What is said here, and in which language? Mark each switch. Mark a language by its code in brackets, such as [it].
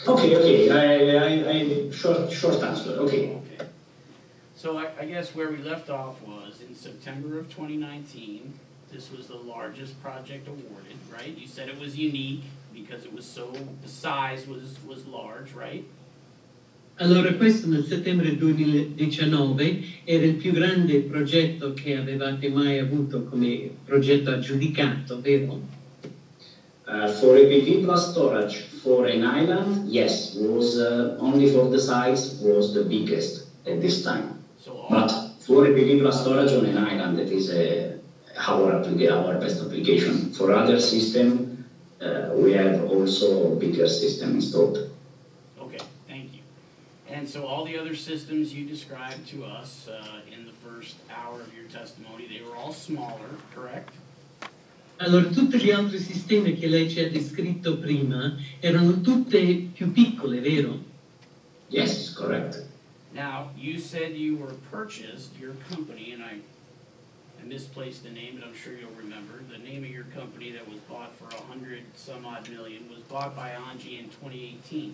[en] Okay. Short answer, okay. So I guess where we left off was in September of 2019, this was the largest project awarded, right? You said it was unique because it was so, the size was large, right? [it] Allora, questo nel settembre 2019 era il più grande progetto che avevate mai avuto come progetto aggiudicato, vero? [en] For a PV plus storage for an island, yes, was only for the size was the biggest at this time. But for a PV plus storage on an island, that is our best application. For other system, we have also bigger system installed. Okay, thank you. And so all the other systems you described to us in the first hour of your testimony, they were all smaller, correct? [it] Allora, tutti gli altri sistemi che lei ci ha descritto prima erano tutte più piccole, vero? [en] Yes, correct. Now, you said you were purchased, your company, and I misplaced the name, but I'm sure you'll remember. The name of your company that was bought for 100-some-odd million was bought by Angie in 2018.